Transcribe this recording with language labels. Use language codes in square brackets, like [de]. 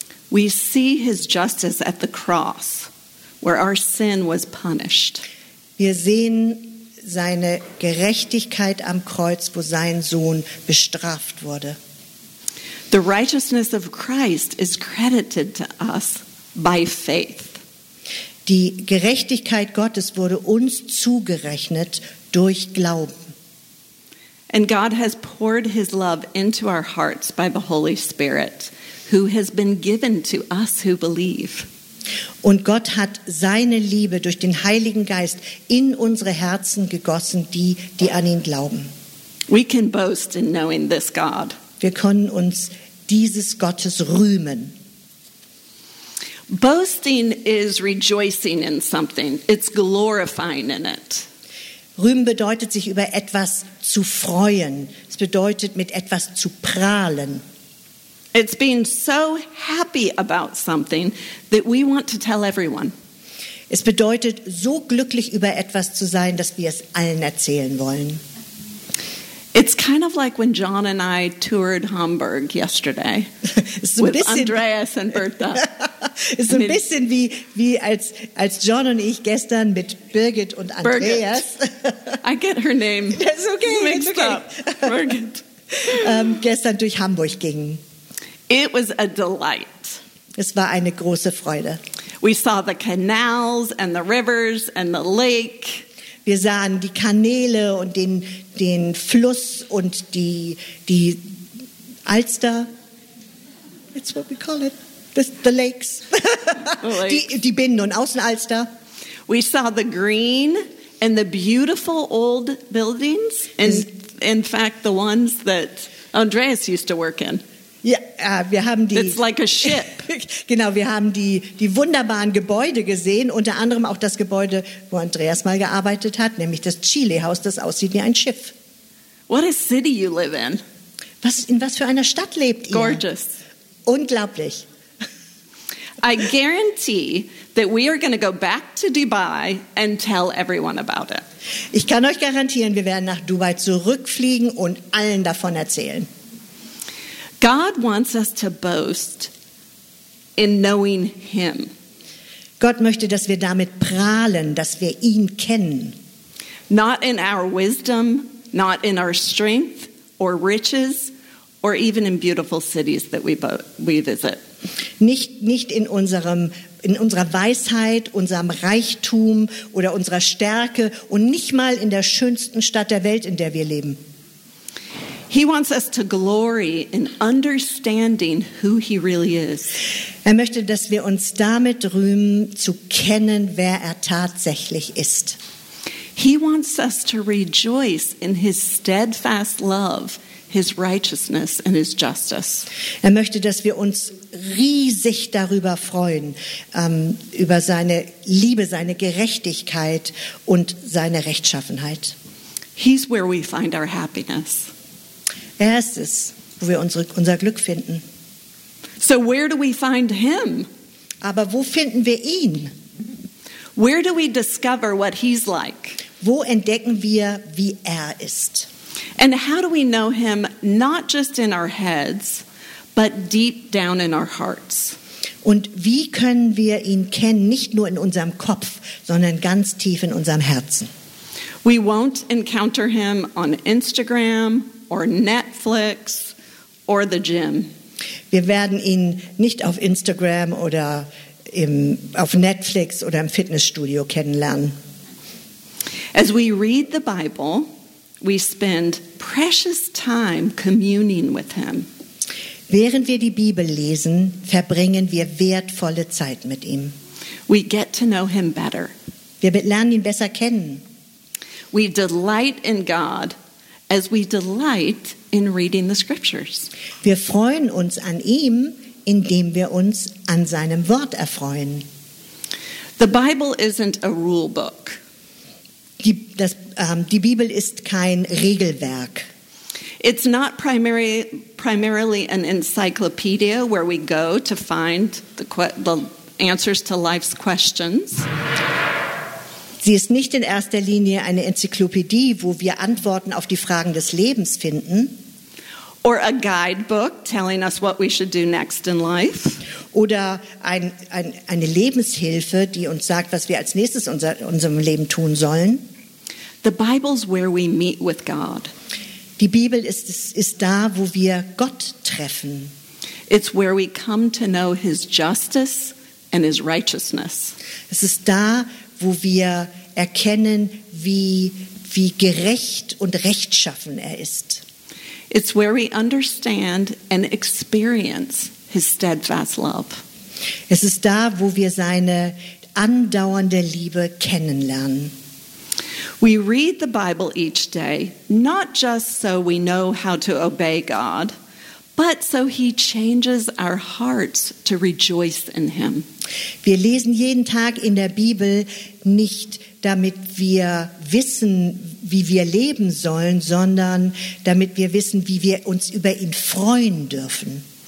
[en] We see his justice at the cross, where our sin was punished. [de] Wir sehen seine Gerechtigkeit am Kreuz, wo sein Sohn bestraft wurde. [en] The righteousness of Christ is credited to us by faith. [de] Die Gerechtigkeit Gottes wurde uns zugerechnet durch Glauben. [en] And God has poured his love into our hearts by the Holy Spirit, who has been given to us who believe. [de] Und Gott hat seine Liebe durch den Heiligen Geist in unsere Herzen gegossen, die an ihn glauben. [en] We can boast in knowing this God. [de] Wir können uns dieses Gottes rühmen. [en] Boasting is rejoicing in something. It's glorifying in it. [de] Rühmen bedeutet, sich über etwas zu freuen. Es bedeutet, mit etwas zu prahlen. [en] It's being so happy about something that we want to tell everyone. [de] Es bedeutet, so glücklich über etwas zu sein, dass wir es allen erzählen wollen. [en] It's kind of like when John and I toured Hamburg yesterday with Andreas and Bertha. [de] Ist so ein bisschen wie als John und ich gestern mit Birgit und Andreas. Birgit. [en] I get her name. That's okay. Mixed it's okay. Up. Birgit. [de] Gestern durch Hamburg gingen. [en] It was a delight. [de] Es war eine große Freude. [en] We saw the canals and the rivers and the lake. [de] Wir sahen die Kanäle und den Fluss und die Alster. [en] That's what we call it. The lakes. [de] die Binnen- und Außenalster. [en] We saw the green and the beautiful old buildings. In fact, the ones that Andreas used to work in. [de] Ja, wir haben die. [en] It's like a ship. [de] Genau, wir haben die wunderbaren Gebäude gesehen, unter anderem auch das Gebäude, wo Andreas mal gearbeitet hat, nämlich das Chile-Haus, das aussieht wie ein Schiff. [en] What a city you live in. [de] In was für einer Stadt lebt ihr? [en] Gorgeous. [de] Unglaublich. [en] I guarantee that we are going to go back to Dubai and tell everyone about it. [de] Ich kann euch garantieren, wir werden nach Dubai zurückfliegen und allen davon erzählen. [en] God wants us to boast in knowing him. [de] Gott möchte, dass wir damit prahlen, dass wir ihn kennen. [en] Not in our wisdom, not in our strength or riches or even in beautiful cities that we visit. [de] Nicht in unserer Weisheit, unserem Reichtum oder unserer Stärke und nicht mal in der schönsten Stadt der Welt, in der wir leben. [en] He wants us to glory in understanding who he really is. [de] Er möchte, dass wir uns damit rühmen, zu kennen, wer er tatsächlich ist. [en] He wants us to rejoice in his steadfast love, his righteousness and his justice. [de] Er möchte, dass wir uns riesig darüber freuen, über seine Liebe, seine Gerechtigkeit und seine Rechtschaffenheit. [en] He's where we find our happiness. [de] Er ist es, wo wir unser Glück finden. [en] So where do we find him? [de] Aber wo finden wir ihn? [en] Where do we discover what he's like? [de] Wo entdecken wir, wie er ist? [en] And how do we know him not just in our heads, but deep down in our hearts? [de] Und wie können wir ihn kennen, nicht nur in unserem Kopf, sondern ganz tief in unserem Herzen? [en] We won't encounter him on Instagram or Netflix or the gym. [de] Wir werden ihn nicht auf Instagram oder auf Netflix oder im Fitnessstudio kennenlernen. [en] As we read the Bible, we spend precious time communing with him. [de] Während wir die Bibel lesen, verbringen wir wertvolle Zeit mit ihm. [en] We get to know him better. [de] Wir lernen ihn besser kennen. [en] We delight in God as we delight in reading the scriptures. [de] Wir freuen uns an ihm, indem wir uns an seinem Wort erfreuen. [en] The Bible isn't a rule book. [de] Die Bibel ist kein Regelwerk. [en] It's not primarily an encyclopedia where we go to find the answers to life's questions. [de] Sie ist nicht in erster Linie eine Enzyklopädie, wo wir Antworten auf die Fragen des Lebens finden. [en] Or a guidebook telling us what we should do next in life. [de] Oder eine Lebenshilfe, die uns sagt, was wir als nächstes in unserem Leben tun sollen. [en] The Bible's where we meet with God. [de] Die Bibel ist da, wo wir Gott treffen. [en] It's where we come to know his justice and his righteousness. [de] Es ist da, wo wir erkennen, wie gerecht und rechtschaffen er ist. [en] It's where we understand and experience his steadfast love. [de] Es ist da, wo wir seine andauernde Liebe kennenlernen. [en] We read the Bible each day, not just so we know how to obey God, but so he changes our hearts to rejoice in him. [de] Wir lesen jeden Tag in der Bibel nicht, damit wir wissen, wie wir leben sollen, sondern damit wir wissen, wie wir uns über ihn freuen dürfen.